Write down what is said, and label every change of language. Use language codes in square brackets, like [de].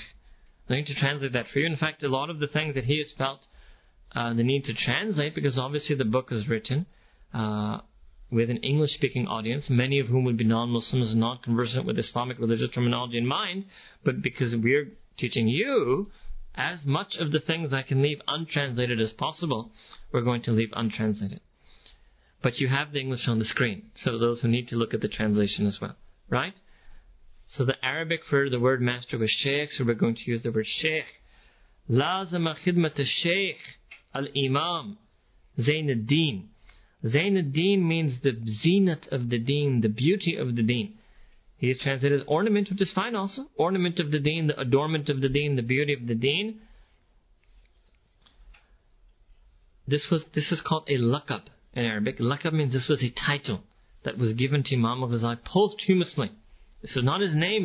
[en] I'm going to translate that for you. In fact, a lot of the things that he has felt the need to translate, because obviously the book is written with an English-speaking audience, many of whom would be non-Muslims, not conversant with Islamic religious terminology in mind, but because we're teaching you as much of the things I can leave untranslated as possible, we're going to leave untranslated. But you have the English on the screen, so those who need to look at the translation as well. Right? So the Arabic for the word master was Shaykh, so we're going to use the word Shaykh. [ar] لازم خدمة الشيخ الإمام زين الدين. [en] Zain al-Din means the zenit of the deen, the beauty of the deen. He is translated as ornament, which is fine also. Ornament of the deen, the adornment of the deen, the beauty of the deen. This is called a laqab in Arabic. Laqab means this was a title that was given to Imam al-Ghazali posthumously. This is not his name.